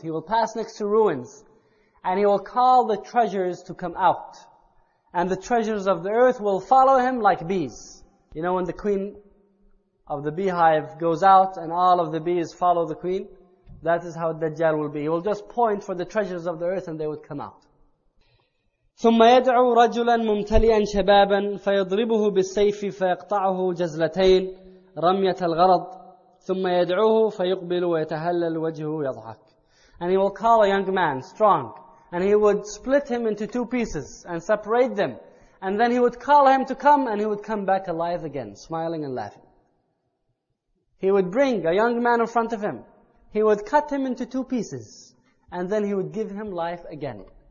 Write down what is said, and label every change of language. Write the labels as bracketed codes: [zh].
[en] He will pass next to ruins. And he will call the treasures to come out. And the treasures of the earth will follow him like bees. You know when the queen of the beehive goes out and all of the bees follow the queen? That is how Dajjal will be. He will just point for the treasures of the earth and they would come out. [ar] ثم يدعو رجلا ممتلئا شبابا فيضربه بالسيف فيقطعه جزلتين رمية الغرض ثم يدعوه فيقبل ويتهلل وجهه يضحك. [en] And he will call a young man, strong, and he would split him into two pieces and separate them. And then he would call him to come and he would come back alive again, smiling and laughing. He would bring a young man in front of him. He would cut him into two pieces and then he would give him life again.